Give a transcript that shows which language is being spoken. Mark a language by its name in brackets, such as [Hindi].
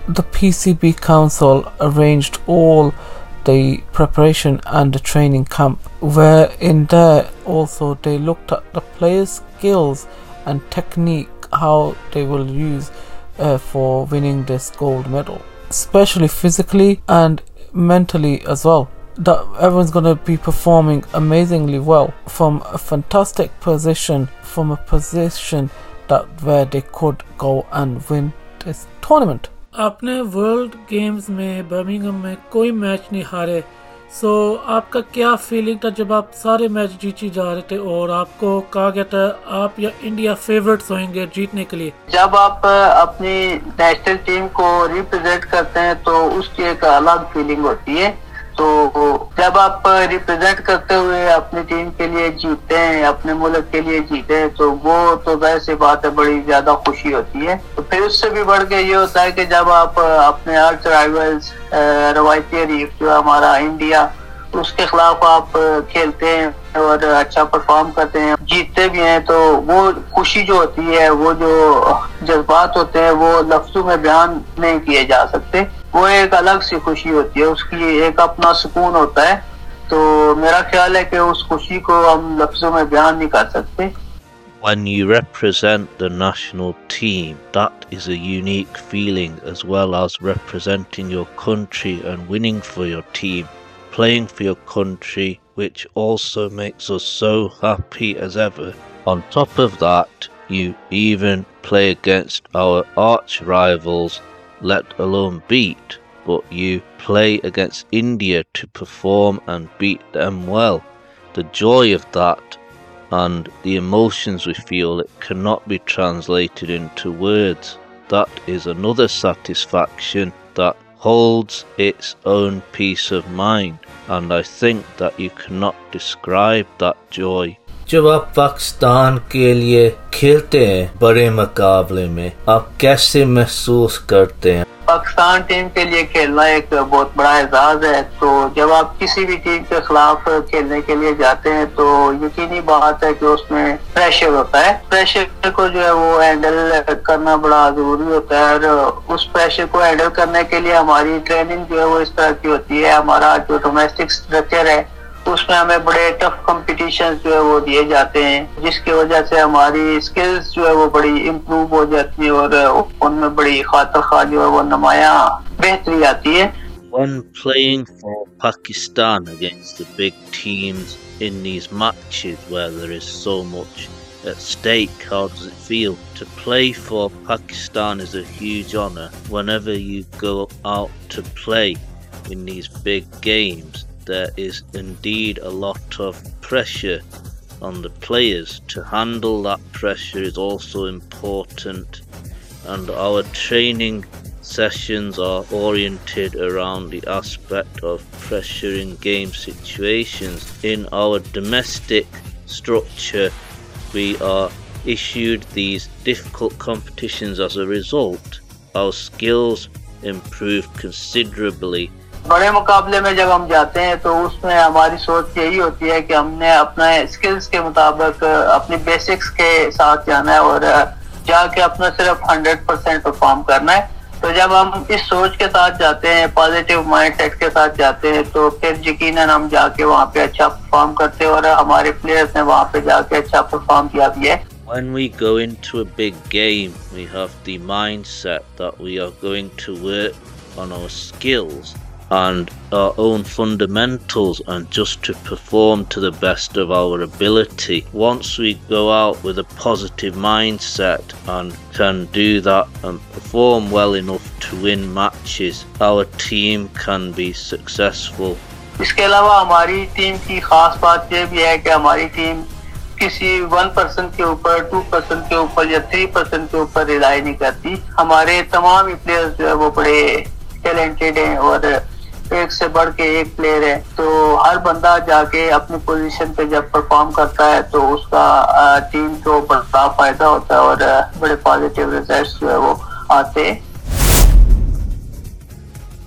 [English] The PCB Council arranged all the preparation and the training camp, where in there also they looked at the players' skills and technique, how they will use for winning this gold medal, especially physically and mentally as well. That everyone's going to be performing amazingly well from a fantastic position, from a position that where they could go and win this tournament. [Hindi] आपने world games में Birmingham में कोई match नहीं हारे, सो आपका क्या feeling था जब आप सारे मैच जीती जा रहे थे और आपको कहा गया था आप या इंडिया फेवरेट्स होंगे जीतने के लिए? जब आप अपनी नेशनल टीम को रिप्रेजेंट करते हैं तो उसकी एक अलग फीलिंग होती है, तो जब आप रिप्रेजेंट करते हुए अपनी टीम के लिए जीतते हैं, अपने मुल्क के लिए जीतते हैं, तो वो तो जाहिर सी बात है बड़ी ज्यादा खुशी होती है। तो फिर उससे भी बढ़ के ये होता है कि जब आप अपने आर्च राइवल्स रवायती हरीफ जो हमारा इंडिया, उसके खिलाफ आप खेलते हैं और अच्छा परफॉर्म करते हैं, जीतते भी हैं, तो वो खुशी जो होती है, वो जो जज्बात होते हैं, वो लफ्जों में बयान नहीं किए जा सकते। वो एक अलग सी खुशी होती है, उसकी एक अपना सुकून होता है। तो मेरा ख्याल है कि उस खुशी को हम लफ्जों में बयान नहीं कर सकते। [English] When you represent the national team, that is a unique feeling, as well as representing your country and winning for your team, playing for your country, which also makes us so happy as ever. On top of that, you even play against our arch rivals, let alone beat, but you play against India to perform and beat them well. The joy of that and the emotions we feel, it cannot be translated into words. That is another satisfaction that holds its own peace of mind, and I think that you cannot describe that joy. [Hindi] जब आप पाकिस्तान के लिए खेलते हैं बड़े मुकाबले में, आप कैसे महसूस करते हैं? पाकिस्तान टीम के लिए खेलना एक बहुत बड़ा एजाज है, तो जब आप किसी भी टीम के खिलाफ खेलने के लिए जाते हैं तो यकीनी बात है कि उसमें प्रेशर होता है। प्रेशर को जो है वो हैंडल करना बड़ा जरूरी होता है, और उस प्रेशर को हैंडल करने के लिए हमारी ट्रेनिंग जो है वो इस तरह की होती है। हमारा जो डोमेस्टिक स्ट्रक्चर है उसमें हमें बड़े टफ कॉम्पिटिशन जो है वो दिए जाते हैं, जिसकी वजह से हमारी स्किल्स जो है वो बड़ी इम्प्रूव हो जाती है और उनमें बड़ी खातर खा जो है वो नमाया बेहतरी आती है। [English] When playing for Pakistan against the big teams in these matches where there is so much at stake, how does it feel? To play for Pakistan is a huge honor. Whenever you go out to play in these big games, there is indeed a lot of pressure on the players. To handle that pressure is also important, and our training sessions are oriented around the aspect of pressure in game situations. In our domestic structure, we are issued these difficult competitions. As a result, our skills improve considerably. [Hindi] बड़े मुकाबले में जब हम जाते हैं तो उसमें हमारी सोच यही होती है कि हमने अपने स्किल्स के मुताबिक अपनी बेसिक्स के साथ जाना है और जाके अपना सिर्फ 100% परफॉर्म करना है। तो जब हम इस सोच के साथ जाते हैं, पॉजिटिव माइंडसेट के साथ जाते हैं, तो फिर यकीनन हम जाके वहाँ पे अच्छा परफॉर्म करते हैं, और हमारे प्लेयर्स ने वहाँ पे जाके अच्छा परफॉर्म किया भी है। [English] When we go into a big game, we have the mindset that we are going to work on our skills and our own fundamentals, and just to perform to the best of our ability. Once we go out with a positive mindset and can do that and perform well enough to win matches, our team can be successful. [Hindi] इसके अलावा हमारी team की खास बात ये भी है कि हमारी टीम किसी 1% के ऊपर, 2% के ऊपर या 3% के ऊपर रिलाई नहीं करती। हमारे तमाम प्लेयर्स जो है वो बड़े टैलेंटेड हैं और एक से बढ़ के एक प्लेयर है, तो हर बंदा जाके अपनी पोजीशन पे जब परफॉर्म करता है तो उसका टीम को बड़ा फायदा होता है और बड़े पॉजिटिव रिजल्ट्स जो है वो आते हैं।